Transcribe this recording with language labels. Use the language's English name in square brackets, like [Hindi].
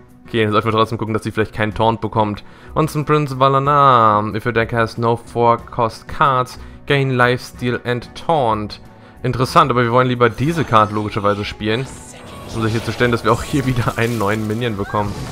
[German] Okay, dann sollten wir trotzdem gucken, dass sie vielleicht keinen Taunt bekommt. [English] Once in Prince Valanar. If your deck has no 4-cost cards, gain lifesteal and taunt. [German] Interessant, aber wir wollen lieber diese Karte logischerweise spielen. Um sicherzustellen, dass wir auch hier wieder einen neuen Minion bekommen.